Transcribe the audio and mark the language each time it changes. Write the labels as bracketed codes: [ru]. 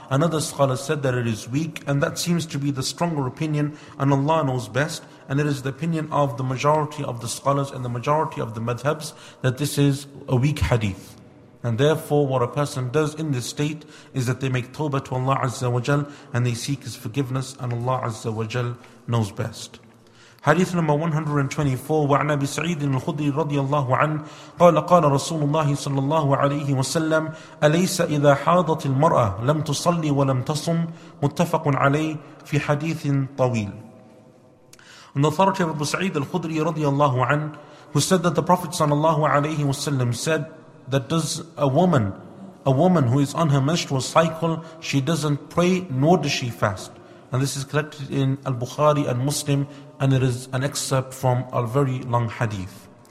[en] Another scholar said that it is weak, and that seems to be the stronger opinion, and Allah knows best. And it is the opinion of the majority of the scholars and the majority of the madhabs that this is a weak hadith. And therefore, what a person does in this state is that they make tawbah to Allah Azza wa Jal, and they seek His forgiveness, and Allah Azza wa Jal knows best. Hadith number 124, [ar] وعن أبي سعيد الخدري رضي الله عنه قال قال رسول الله صلى الله عليه وسلم أليس إذا حاضت المرأة لم تصلي ولم تصم, متفق عليه, في حديث طويل. [en] And the authority of Abu Sa'id al-Khudri رضي الله عنه, who said that the Prophet صلى الله عليه وسلم said that does a woman who is on her menstrual cycle, she doesn't pray nor does she fast. And this is collected in Al-Bukhari and Muslim, and it is an excerpt from a very long hadith.